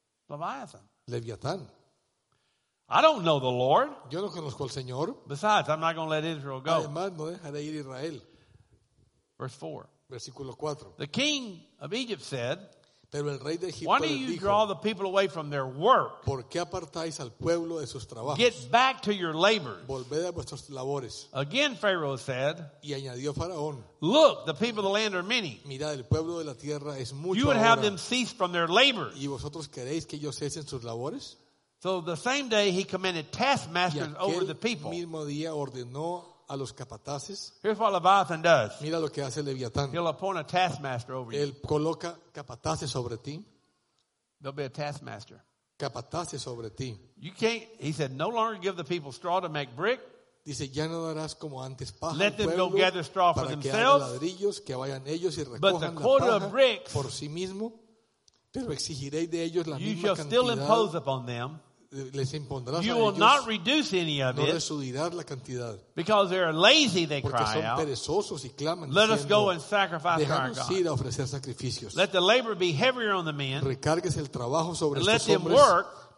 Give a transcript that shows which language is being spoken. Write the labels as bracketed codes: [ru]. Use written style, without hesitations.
[en] Leviathan. I don't know the Lord. [es] Yo no conozco al Señor. [en] Besides, I'm not going to let Israel go. [es] Además, no dejaré ir a Israel. [en] Verse 4. [es] Versículo 4. [en] The king of Egypt said, [es] Pero el rey de Egipto les dijo, [en] "Why do you draw the people away from their work? [es] ¿Por qué apartáis al pueblo de sus trabajos? [en] Get back to your labors." [es] Volved a vuestras labores. [en] Again, Pharaoh said, [es] y añadió Faraón, [en] "Look, the people of the land are many. [es] Mirad, el pueblo de la tierra es mucho. [en] You would have them cease from their labors." [es] ¿Y vosotros queréis que ellos cesen sus labores? [en] So the same day he commanded taskmasters over the people. [es] Mismo día ordenó a los capataces. [en] Here's what Leviathan does. [es] Mira lo que hace Leviatán. [en] He'll appoint a taskmaster over you. [es] Él coloca capataces sobre ti. [en] There'll be a taskmaster. [es] Capataces sobre ti. [en] You can't, he said, no longer give the people straw to make brick. [es] Dice, ya no darás como antes paja. [en] Let them go gather straw for themselves. [es] Para que hagan ladrillos, que vayan ellos y recojan la paja. [en] But the quota of bricks, [es] por sí mismo, pero exigiréis de ellos la misma cantidad. [en] You shall still impose upon them. You will not reduce any of it because they are lazy, they cry out. Let us go and sacrifice to our God. Let the labor be heavier on the men. Let them work